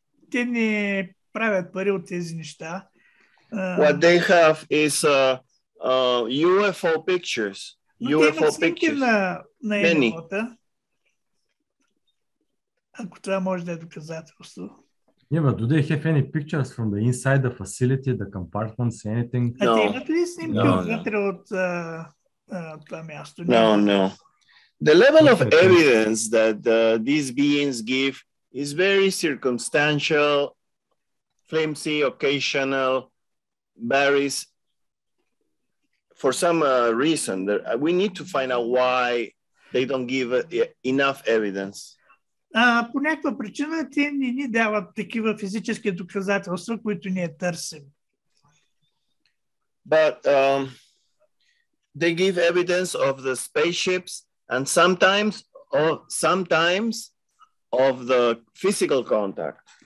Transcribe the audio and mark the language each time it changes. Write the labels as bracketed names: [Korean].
[Bulgarian] Те не правят пари от тези неща. [English] What they have is UFO pictures. UFO pictures. На Many. [Bulgarian] Ако това може да е доказателство. [English] Yeah, but do they have any pictures from the inside, the facility, the compartments, anything? No. No. The level of evidence that these beings give is very circumstantial, flimsy, occasional, varies. For some reason, we need to find out why they don't give enough evidence. [Bulgarian] По някаква причина те не ни дават такива физически доказателства, които ние търсим. [English] But they give evidence of the spaceships and sometimes of the physical contact.